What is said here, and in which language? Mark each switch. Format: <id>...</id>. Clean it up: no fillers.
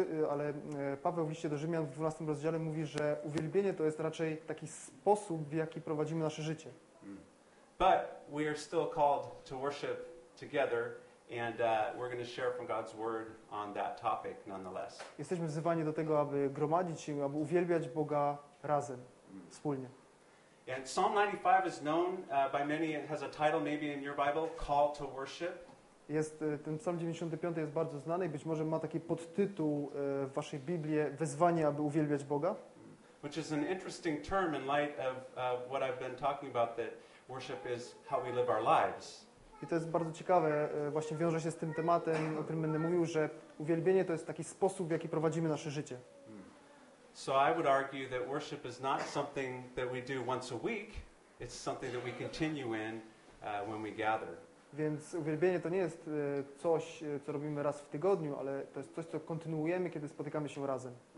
<pl>Ale Paweł w liście do Rzymian w 12 rozdziale mówi, że uwielbienie to jest raczej taki sposób, w jaki prowadzimy nasze życie.</pl> <en>But we are still called to worship together. And we're going to share from God's word on that topic nonetheless.</en> <pl>Jesteśmy wzywani do tego, aby gromadzić się, aby uwielbiać Boga razem, wspólnie.</pl> <en>And Psalm 95 is known by many, it has a title maybe in your Bible, Call to Worship.</en> <pl>Jest, ten psalm 95 jest bardzo znany i być może ma taki podtytuł w waszej Biblii wezwanie, aby uwielbiać Boga.</pl> <en>Which is an interesting term in light of what I've been talking about, that worship is how we live our lives.</en> <pl>I to jest bardzo ciekawe, właśnie wiąże się z tym tematem, o którym będę mówił, że uwielbienie to jest taki sposób, w jaki prowadzimy nasze życie.</pl> <en>So I would argue that worship is not something that we do once a week, it's something that we continue in when we gather.</en> <pl>Więc uwielbienie to nie jest coś, co robimy raz w tygodniu, ale to jest coś, co kontynuujemy, kiedy spotykamy się razem.</pl>